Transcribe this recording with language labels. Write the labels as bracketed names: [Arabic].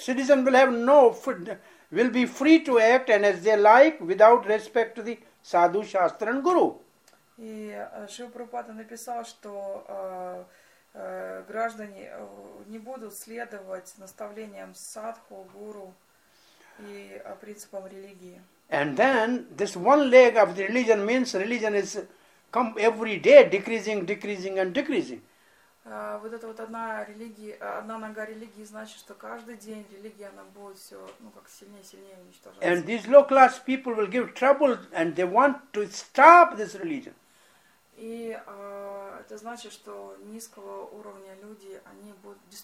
[English] Citizen will have no food, will be free to act and as they like without respect to the sadhu, shastra and guru. [Russian] И Шрила Прабхупада написал, что граждане не будут следовать наставлениям садху, гуру. и о принципах религии. [English] And then this one leg of the religion means religion is come every day decreasing, decreasing and decreasing. [Russian] Вот это вот одна религия, одна нога религии значит, что каждый день религия она будет все, ну как сильнее, сильнее уничтожаться. [English] And these low class people will give trouble and they want to stop this religion. [Russian] И это значит, что низкого уровня люди, они будут